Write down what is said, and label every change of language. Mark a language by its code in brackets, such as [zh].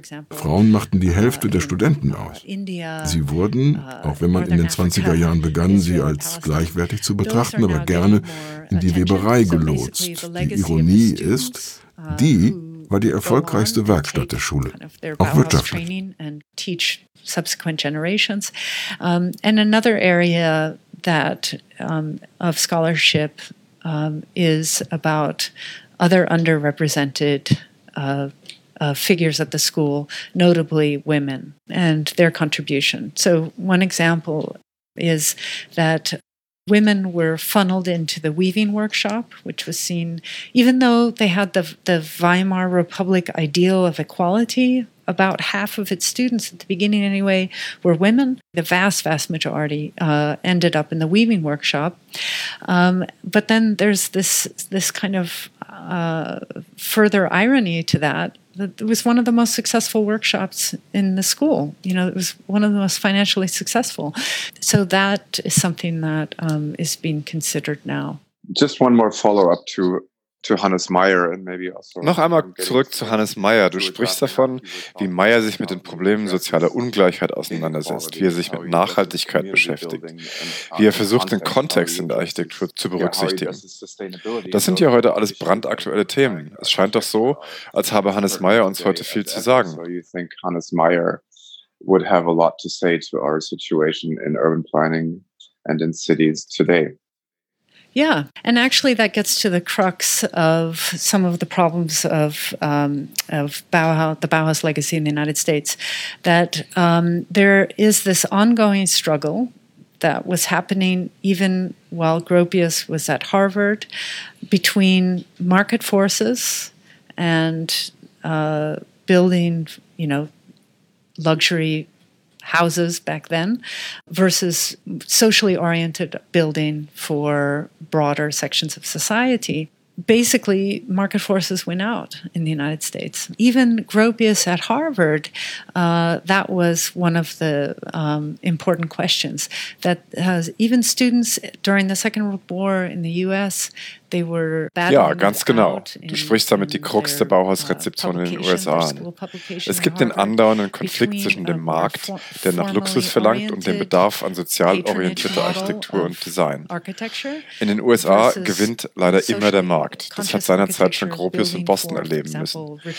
[de] Frauen machten die Hälfte der Studenten aus. Sie wurden, auch wenn man in den 20er Jahren begann, sie als gleichwertig zu betrachten, aber gerne in die Weberei gelotst. Die Ironie ist, die war die erfolgreichste Werkstatt der Schule, auch wirtschaftlich. [en] Subsequent generations. And another area that of scholarship is about other underrepresented figures at the school, notably women and their contribution. So one example is that women were funneled into the weaving workshop, which was seen, even though they had the Weimar Republic ideal of equality, about half of its students at the beginning anyway were women. The vast, vast majority ended up in the weaving workshop. But then there's this kind of further irony to that. It was one of the most successful workshops in the school. You know, it was one of the most financially successful. So that is something that is being considered now. Just one more follow-up to Hannes Meyer and maybe also. [de] Noch einmal zurück zu Hannes Meyer. Du sprichst davon, wie Meyer sich mit den Problemen sozialer Ungleichheit auseinandersetzt, wie er sich mit Nachhaltigkeit beschäftigt, wie er versucht, den Kontext in der Architektur zu berücksichtigen. Das sind ja heute alles brandaktuelle Themen. Es scheint doch so, als habe Hannes Meyer uns heute viel zu sagen. [en] Hannes Meyer would have a lot to say to our situation in urban planning and in cities today. Yeah, and actually that gets to the crux of some of the problems of Bauhaus, the Bauhaus legacy in the United States, that there is this ongoing struggle that was happening even while Gropius was at Harvard between market forces and building, you know, luxury houses back then versus socially oriented building for broader sections of society. Basically, market forces win out in the United States. Even Gropius at Harvard, that was one of the important questions that has even students during the Second World War in the U.S., they were battling. [de] Ja, ganz genau. Du sprichst damit die Krux der Bauhausrezeption in den USA an. Es gibt den andauernden Konflikt zwischen dem Markt, der nach Luxus verlangt, und dem Bedarf an sozial orientierter Architektur und Design. In den USA gewinnt leider immer der Markt. Das hat seinerzeit schon Gropius in Boston erleben müssen.